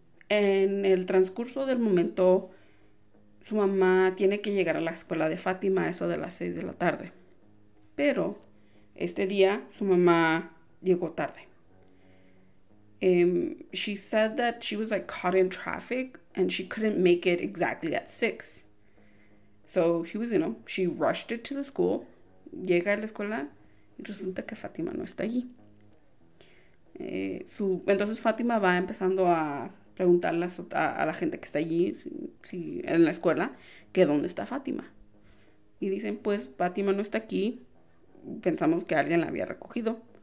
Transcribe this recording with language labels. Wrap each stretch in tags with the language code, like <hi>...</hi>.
<es>En el transcurso del momento, su mamá tiene que llegar a la escuela de Fátima eso de las 6 de la tarde, pero este día, su mamá llegó tarde.</es> <en>She said that she was, like, caught in traffic, and she couldn't make it exactly at 6. So, she was, you know, she rushed it to the school.</en> <es>Llega a la escuela, y resulta que Fátima no está allí. Entonces, Fátima va empezando a preguntarle a la gente que está allí, si en la escuela, que dónde está Fátima. Y dicen, pues, Fátima no está aquí. Pensamos que alguien la había recogido.</es>